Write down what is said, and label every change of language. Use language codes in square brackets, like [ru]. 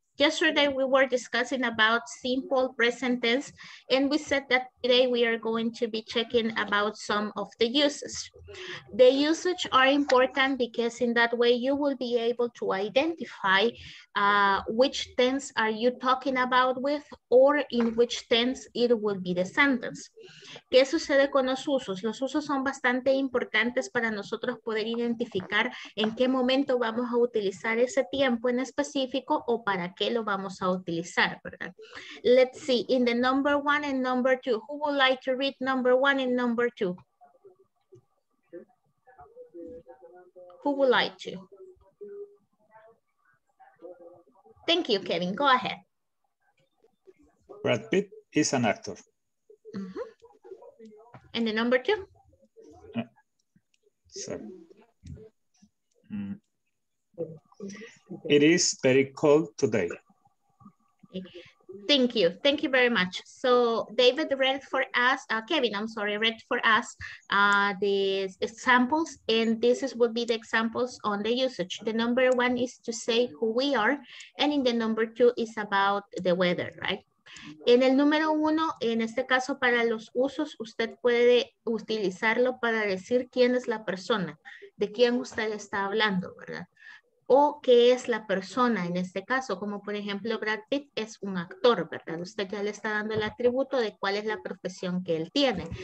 [en] Yesterday, we were discussing about simple present tense, and we said that today we are going to be checking about some of the uses. The usage are important because in that way, you will be able to identify which tense are you talking about with or in which tense it will be the sentence. [es] ¿Qué sucede con los usos? Los usos son bastante importantes para nosotros poder identificar en qué momento vamos a utilizar ese tiempo en específico o para qué. qué lo vamos a utilizar, ¿verdad? [en] Let's see, in the number one and number two, who would like to read number one and number two? Who would like to? Thank you, Kevin. Go ahead. Brad Pitt is an actor. Mm-hmm. And the number two? It is very cold today. Thank you. Thank you very much. So David read for us, Kevin, I'm sorry, read for us these examples, and this is, will be the examples on the usage. The number one is to say who we are, and in the number two is about the weather, right? [es] En el número uno, en este caso para los usos, usted puede utilizarlo para decir quién es la persona, de quién usted está hablando, ¿verdad? O qué es la persona en este caso, como por ejemplo Brad Pitt es un actor, ¿verdad? Usted ya le está dando el atributo de cuál es la profesión que él tiene.